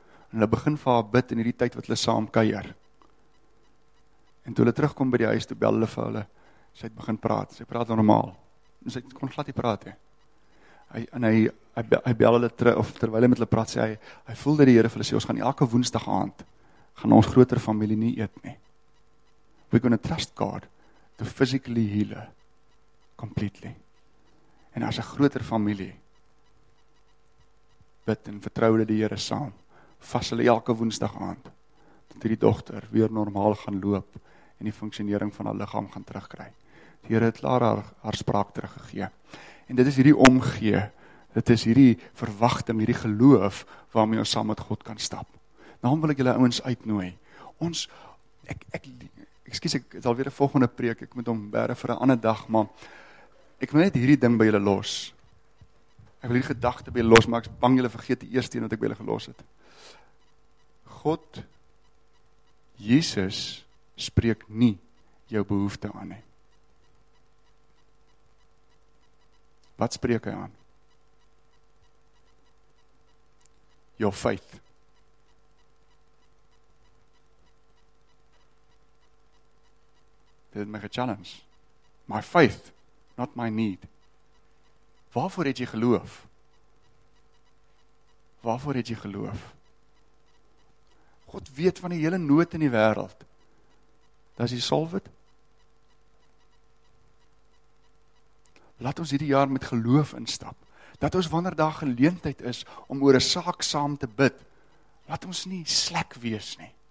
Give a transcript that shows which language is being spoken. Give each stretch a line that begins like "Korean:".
Afrikaans: En hulle begin vir haar bid in hierdie tyd wat hulle saam kuier. En toe hulle terugkom by die huis toe bel hulle vir hulle. Sy het begin praat. Sy praat normaal. En sy kon glad nie praat nie. Hy bel hulle terug of terwyl hy met hulle praat sê hy voel dat die Here vir hulle sê ons gaan elke Woensdag aand gaan ons groter familie nie eet nie.
English: We're going to trust God to physically heal her completely.
Afrikaans: En as 'n groter familie bid en vertrou dat die Here saam vas hulle elke Woensdag aand dat hierdie dogter weer normaal gaan loop en die funksionering van haar liggaam gaan terugkry. Die Here het klaar haar spraak teruggegee. En dit is hierdie omgee, dit is hierdie verwagting, hierdie geloof waarmee ons saam met God kan stap. Daarom wil ek julle ouens uitnooi. Ek het alweer 'n volgende preek, ek moet hom bera vir 'n ander dag, maar ek wil net hierdie ding by julle los. Ek wil hierdie gedagte by julle los, maar ek is bang julle vergeet die eerste een wat ek by julle gelos het. God, Jesus, spreek nie jou behoefte aan nie. Wat spreek hy aan?
English: Your faith.
Afrikaans: Dit het my ge-challenge.
English: My faith, not my need.
Afrikaans: Waarvoor het jy geloof? Waarvoor het jy geloof? God weet van die hele nood in die wêreld. Dat jy solve het. Laat ons hierdie jaar met geloof instap. Dat ons wanneer daar geleentheid is om oor 'n saak saam te bid, laat ons nie slek wees nie.